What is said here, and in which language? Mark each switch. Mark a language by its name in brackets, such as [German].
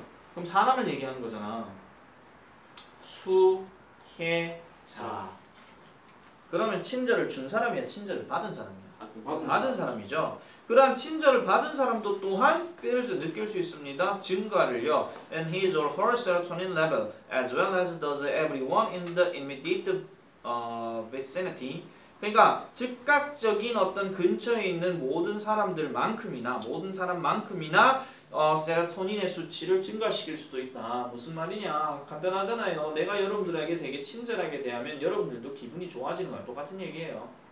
[Korean] 그럼 사람을 얘기하는 거잖아. 수, 해, 자. 그러면 친절을 준 사람이야, 친절을 받은 사람이야. 받은 사람이죠. 그러한 친절을 받은 사람도 또한 feels 느낄 수 있습니다. 증가를요. [English] And his or her serotonin level as well as does everyone in the immediate vicinity. [Korean] 그러니까 즉각적인 어떤 근처에 있는 모든 사람들만큼이나 모든 사람만큼이나 세로토닌의 수치를 증가시킬 수도 있다. 무슨 말이냐? 간단하잖아요. 내가 여러분들에게 되게 친절하게 대하면 여러분들도 기분이 좋아지는 거랑 똑같은 얘기예요.